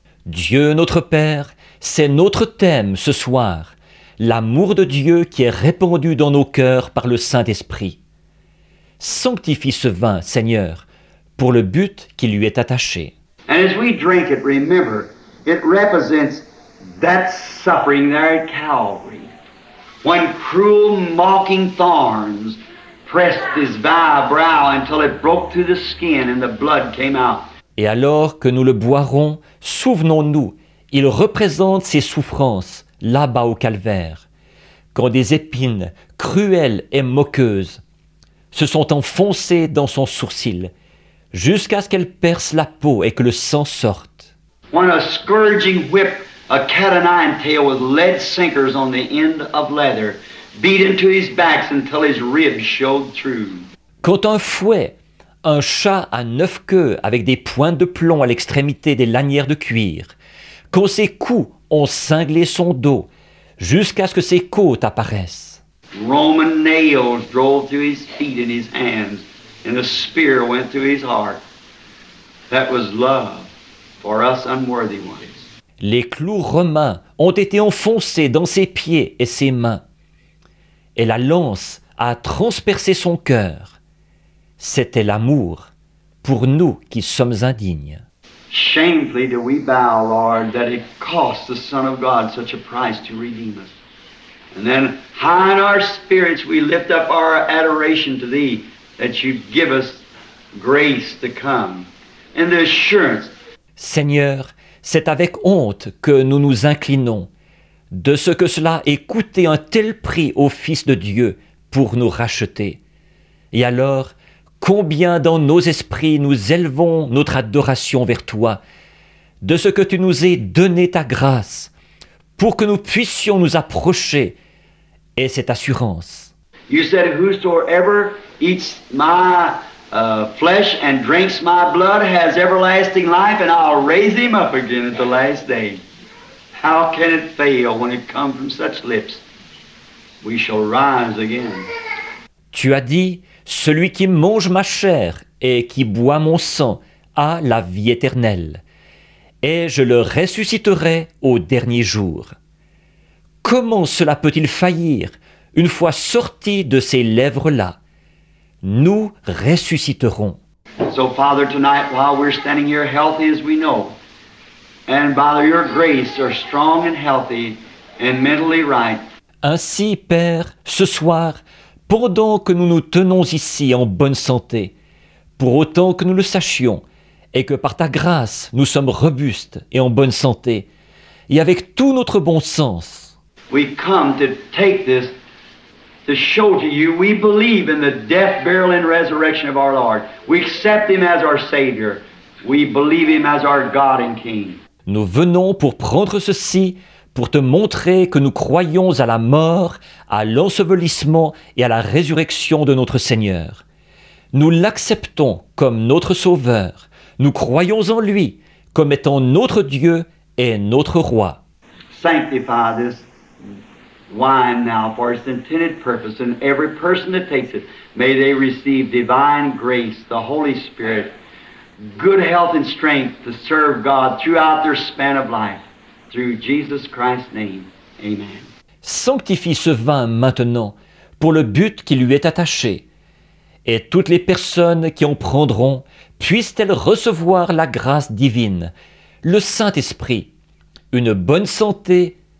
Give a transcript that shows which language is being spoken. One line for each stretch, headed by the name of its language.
French: Dieu notre Père, c'est notre thème ce soir, l'amour de Dieu qui est répandu dans nos cœurs par le Saint-Esprit. Sanctifie ce vin, Seigneur, pour le but qui lui est attaché.
English: And as we drink it, remember, it represents that suffering there at Calvary, when cruel mocking thorns pressed his vile brow until it broke through the skin and the blood came out.
French: Et alors que nous le boirons, souvenons-nous, il représente ses souffrances là-bas au calvaire, quand des épines cruelles et moqueuses se sont enfoncées dans son sourcil, jusqu'à ce qu'elles percent la peau et que le sang sorte.
English: When a scourging whip, a cat and nine tail with lead sinkers on the end of leather, beat into his back until his ribs showed through.
French: Quand un fouet, un chat à neuf queues avec des pointes de plomb à l'extrémité des lanières de cuir, quand ses coups ont cinglé son dos jusqu'à ce que ses côtes apparaissent.
English: Roman nails drove through his feet and his hands, and a spear went through his heart. That was love for us unworthy ones.
French: Les clous romains ont été enfoncés dans ses pieds et ses mains, et la lance a transpercé son cœur. C'était l'amour pour nous qui sommes indignes.
English: Shamefully do we bow, Lord, that it cost the Son of God such a price to redeem us. And then high in our spirits we lift up our adoration to thee, that you give us grace to come and the assurance.
French: Seigneur, c'est avec honte que nous nous inclinons de ce que cela ait coûté un tel prix au Fils de Dieu pour nous racheter. Et alors, combien dans nos esprits nous élevons notre adoration vers toi, de ce que tu nous aies donné ta grâce, pour que nous puissions nous approcher et cette assurance.
English: You said, whosoever eats my flesh and drinks my blood has everlasting life, and I'll raise him up again at the last day. How can it fail when it comes from such lips? We shall rise again.
French: Tu as dit, celui qui mange ma chair et qui boit mon sang a la vie éternelle, et je le ressusciterai au dernier jour. Comment cela peut-il faillir une fois sorti de ces lèvres-là? Nous ressusciterons.
English: So, Father, tonight, while we're standing here healthy as we know, and by your grace are strong and healthy and mentally right.
French: Ainsi, Père, ce soir, pendant que nous nous tenons ici en bonne santé, pour autant que nous le sachions, et que par ta grâce nous sommes robustes et en bonne santé, et avec tout notre bon sens.
English: We come to take this to show to you we believe in the death, burial, and resurrection of our Lord. We accept him as our Savior. We believe him as our God and King.
French: Nous venons pour prendre ceci, pour te montrer que nous croyons à la mort, à l'ensevelissement et à la résurrection de notre Seigneur. Nous l'acceptons comme notre Sauveur. Nous croyons en lui comme étant notre Dieu et notre Roi.
English: Sanctify this wine now for its intended purpose, and every person that takes it, may they receive divine grace, the Holy Spirit, good health and strength to serve God throughout their span of life. Through Jesus Christ's name, amen.
French: Sanctifie ce vin maintenant pour le but qui lui est attaché. Et toutes les personnes qui en prendront puissent-elles recevoir la grâce divine, le Saint-Esprit, une bonne santé